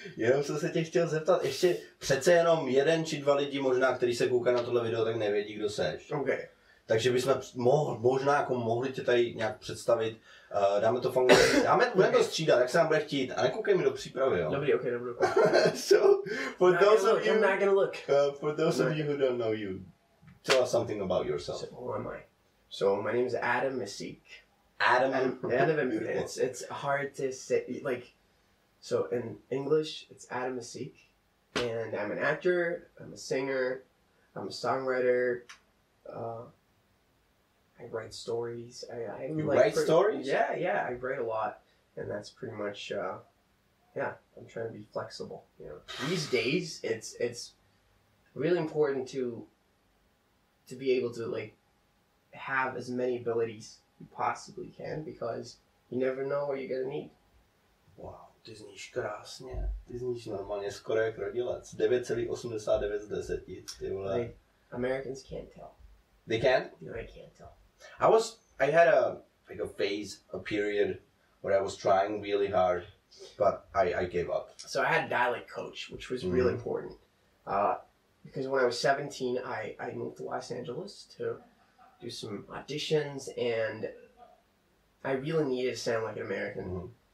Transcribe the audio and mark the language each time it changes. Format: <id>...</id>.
<cs>Jenom jsem se tě chtěl zeptat, ještě přece jenom jeden či dva lidi možná, který se kouká na tohle video, tak nevědí, kdo seš. OK. Takže bychom mohli tě tady nějak představit, dáme to fungu, budeme to střídat, jak se nám bude chtít, a nekoukej mi do přípravy, jo? Dobrý, OK, dobrý.</cs> <en>So, for those of you, I'm not gonna look. For those of you who don't know you, tell us something about yourself. So, who am I? So, my name is Adam Mišík. Adam? Adam, it's hard to say, like... So in English, it's Adam Mišík, and I'm an actor, I'm a singer, I'm a songwriter, I write stories. Stories? Yeah, I write a lot, and that's pretty much, I'm trying to be flexible. You know, these days, it's really important to be able to, like, have as many abilities you possibly can, because you never know what you're going to need. Wow.</en> <cs>Ty zníš krásně, ty zníš normálně skoro jak rodilec, 9,89 z 10, ty vole.</cs> <en>Americans can't tell. They can't? No, they can't tell. I had a period where I was trying really hard, but I gave up. So I had a dialect coach, which was really important. Because when I was 17, I moved to Los Angeles to do some auditions, and I really needed to sound like an American. Mm-hmm.</en>